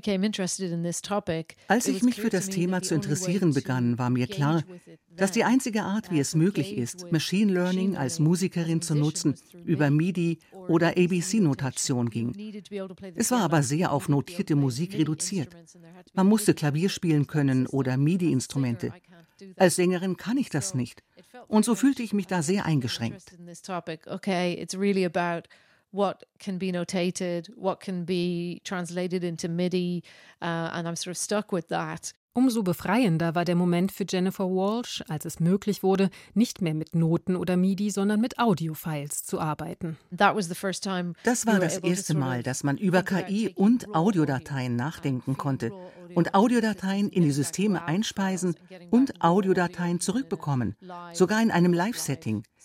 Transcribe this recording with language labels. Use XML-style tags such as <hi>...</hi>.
<de>Als ich mich für das Thema zu interessieren begann, war mir klar, dass die einzige Art, wie es möglich ist, Machine Learning als Musikerin zu nutzen, über MIDI oder ABC-Notation ging. Es war aber sehr auf notierte Musik reduziert. Man musste Klavier spielen können oder MIDI-Instrumente. Als Sängerin kann ich das nicht. Und so fühlte ich mich da sehr eingeschränkt.</de> <en>Okay, it's really about what can be notated, what can be translated into MIDI, and I'm sort of stuck with that.</en> <de>Umso befreiender war der Moment für Jennifer Walsh, als es möglich wurde, nicht mehr mit Noten oder MIDI, sondern mit Audiofiles zu arbeiten. Das war das erste Mal, dass man über KI und Audiodateien nachdenken konnte und Audiodateien in die Systeme einspeisen und Audiodateien zurückbekommen, sogar in einem Live-Setting.</de>